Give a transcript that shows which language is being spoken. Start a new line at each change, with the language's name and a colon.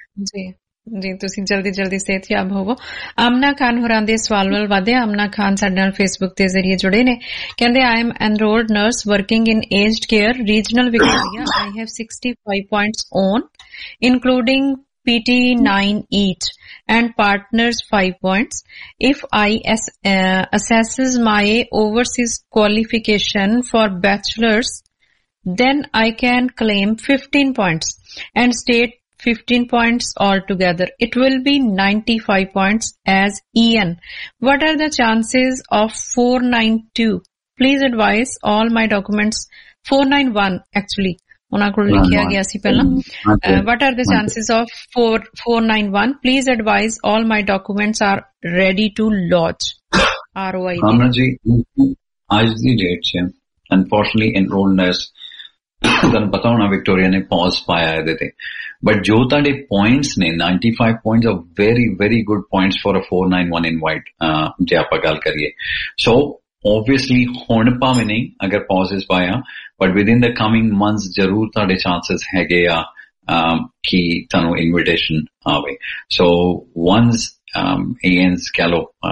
Punjabi: ਜੀ ਜੀ ਤੁਸੀਂ ਜਲਦੀ ਜਲਦੀ ਸਿਹਤਯਾਬ ਹੋਵੋ ਅਮਨਾ ਖਾਨ ਹੋਰਾਂ ਦੇ ਸਵਾਲ ਵੱਲ ਵਧਿਆ ਅਮਨਾ ਖਾਨ ਸਾਡੇ ਨਾਲ ਫੇਸਬੁੱਕ ਦੇ ਜ਼ਰੀਏ ਜੁੜੇ ਨੇ ਕਹਿੰਦੇ
English: I am enrolled nurse working in aged care regional Victoria I have 65 points on including PTE 9 each and partners 5 points. If I assesses my overseas qualification for bachelor's, then I can claim 15 points and state 15 points altogether. It will be 95 points as EN. What are the chances of 492? Please advise all my documents. 491 actually.
Punjabi: ਉਹਨਾਂ ਕੋਲ ਲਿਖਿਆ ਗਿਆ ਸੀ ਪਹਿਲਾਂ
English: what are the chances of 491 please advise all my documents are ready to launch ROI
Punjabi: ਜੀ ਅੱਜ ਦੀ date ਚ ਅਨਫੋਰਚੂਨਲੀ ਇਨਰੋਲਡਨੈਸ ਤੁਹਾਨੂੰ ਪਤਾ ਹੋਣਾ ਵਿਕਟੋਰੀਆ ਨੇ ਪੌਜ਼ ਪਾਇਆ ਇਹਦੇ ਤੇ ਬਟ ਜੋ ਤੁਹਾਡੇ ਪੁਆਇੰਟਸ ਨੇ 95 points of
English: very very good points for a 491 invite
Punjabi: ਜੇ ਆਪਾਂ ਗੱਲ ਕਰੀਏ ਸੋ ਓਬਵੀਅਸਲੀ ਹੁਣ ਭਾਵੇਂ ਨਹੀਂ ਅਗਰ ਪੌਜ਼ ਪਾਇਆ
English: but within the coming months
Punjabi: ਜ਼ਰੂਰ ਤੁਹਾਡੇ ਚਾਂਸਿਸ ਹੈਗੇ ਆ ਕਿ ਤੁਹਾਨੂੰ ਇਨਵੀਟੇਸ਼ਨ ਆਵੇ ਸੋ ਵਨਸ ਏਐਨਸ ਕਹਿ ਲਓ